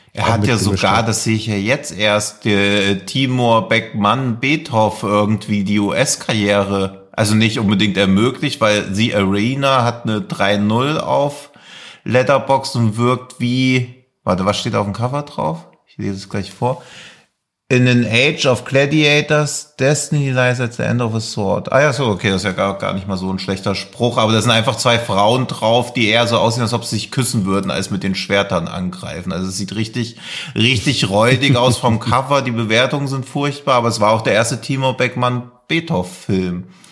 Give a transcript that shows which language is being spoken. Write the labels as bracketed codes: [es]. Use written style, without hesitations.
[de] Er hat ja sogar, das sehe ich ja jetzt erst, Timur Beckmann-Bethoff irgendwie die US-Karriere, also nicht unbedingt ermöglicht, weil The Arena hat eine 3-0 auf Letterboxd und wirkt wie, warte, was steht auf dem Cover drauf? Ich lese es gleich vor. [en] In an Age of Gladiators, Destiny lies at the end of a sword. [de] Ah ja, so, okay, das ist ja gar nicht mal so ein schlechter Spruch, aber da sind einfach zwei Frauen drauf, die eher so aussehen, als ob sie sich küssen würden, als mit den Schwertern angreifen. Also es sieht richtig, richtig räudig aus vom Cover, die Bewertungen sind furchtbar, aber es war auch der erste Timo Beckmann-Beethoven-Film.